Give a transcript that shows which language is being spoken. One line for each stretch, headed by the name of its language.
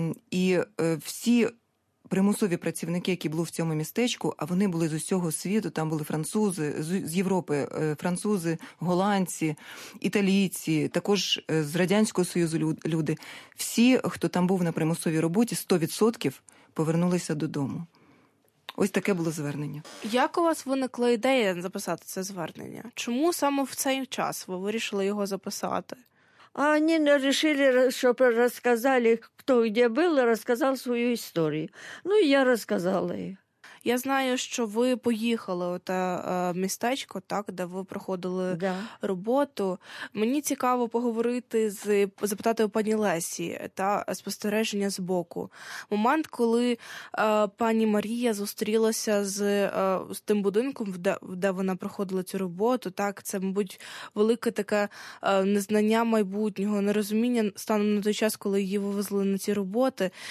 Ukrainian: І всі примусові працівники, які були в цьому містечку, а вони були з усього світу, там були французи, з Європи, французи, голландці, італійці, також з Радянського Союзу люди. Всі, хто там був на примусовій роботі, 100% повернулися додому. Ось таке було звернення. Як у вас виникла ідея записати це звернення? Чому саме в цей час ви вирішили його записати?
Russian: А они решили, чтобы рассказали, кто где был, и рассказал свою историю. Ну, и я рассказала ей.
Ukrainian: Я знаю, що ви поїхали у те містечко, так, де ви проходили роботу. Мені цікаво поговорити запитати у пані Лесі та спостереження з боку. Момент, коли пані Марія зустрілася з тим будинком, де вона проходила цю роботу, так, це, мабуть, велике таке незнання майбутнього, нерозуміння стану на той час, коли її вивезли на ці роботи.